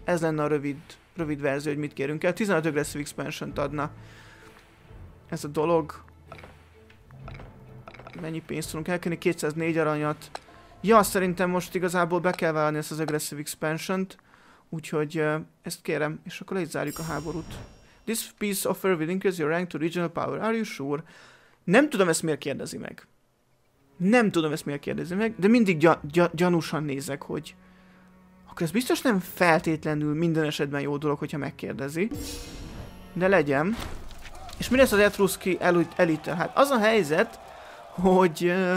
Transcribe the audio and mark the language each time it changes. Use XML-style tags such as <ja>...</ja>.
<hu>Ez lenne a rövid verzió, hogy mit kérünk el. 15 aggressive expansion-t adna. Ez a dolog. Mennyi pénzt tudunk elkérni? 204 aranyat. Ja, szerintem most igazából be kell vállalni ezt az aggressive expansion-t. Úgyhogy ezt kérem, és akkor itt zárjuk a háborút.</hu> <en>This peace offer will increase your rank to regional power. Are you sure?</en> <hu>Nem tudom ezt miért kérdezi meg. Nem tudom ezt miért kérdezi meg, de mindig gyanúsan nézek, hogy... Akkor ez biztos nem feltétlenül minden esetben jó dolog, hogyha megkérdezi. De legyen. És mi lesz az etruszki elittel? Hát az a helyzet, hogy...</hu>